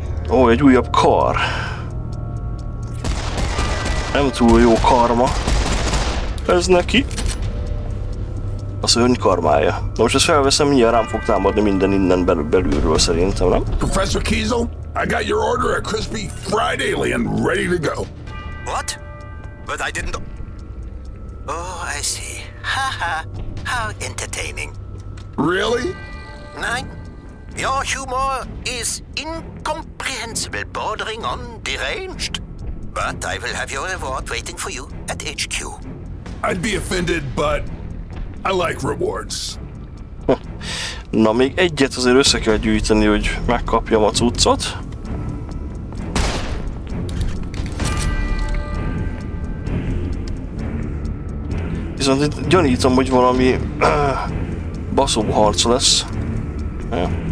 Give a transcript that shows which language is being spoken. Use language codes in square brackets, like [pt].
[hu] Ó, egy újabb kar. Nem túl jó karma. Ez neki. A szörny karmája. Na most ezt felveszem, mindjárt rám fog támadni minden innen belülről szerintem, nem? [en] Professor Kiesel, I got your order at Crispy Fried Alien ready to go. What? But I didn't... Oh, I see. Ha ha. How entertaining. Really? [de] Nein. [en] Your humor is incomprehensible, bordering on deranged. But I will have your reward waiting for you at HQ. I'd be offended, but I like rewards. [hu] Na, még egyet azért össze kell gyűjteni, hogy megkapjam a cuccot. Viszont itt gyanítom, hogy valami baszóbb harc lesz. Ja.